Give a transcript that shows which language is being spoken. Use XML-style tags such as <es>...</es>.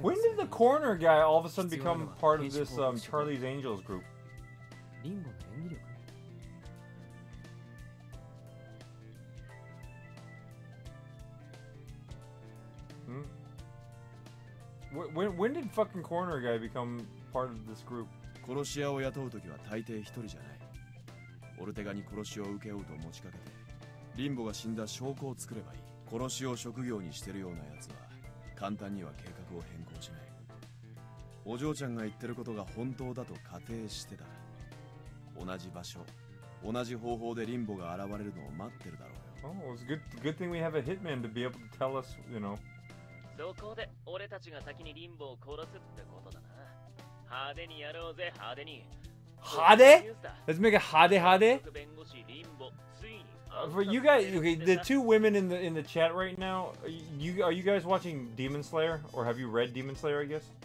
<en>When did the corner guy all of a sudden become part of this Charlie's Angels group? Limbo Angel. When did fucking corner guy become part of this group?</en> <ja>殺し屋を雇うときは大抵一人じゃない。オルテガに殺しを受けようと持ちかけて、リンボが死んだ証拠を作ればいい。殺しを職業にしてるようなやつは簡単には計画を変更しない。お嬢ちゃんが言ってることが本当だと仮定してた。同じ場所、同じ方法でリンボが現れるのを待ってるだろうよ。</ja> <en>Oh, it's good thing we have a hitman to be able to tell us, you know.</en> <ja>どこで俺たちが先にリンボを殺すってことだな。派手にやろうぜ、派手に。</ja> <en>派手？Let's make it 派手派手。</en> <ja>弁護士リンボついに。</ja> <en>For you guys, okay, the two women in the chat right now, are you guys watching Demon Slayer or have you read Demon Slayer? I guess.</en>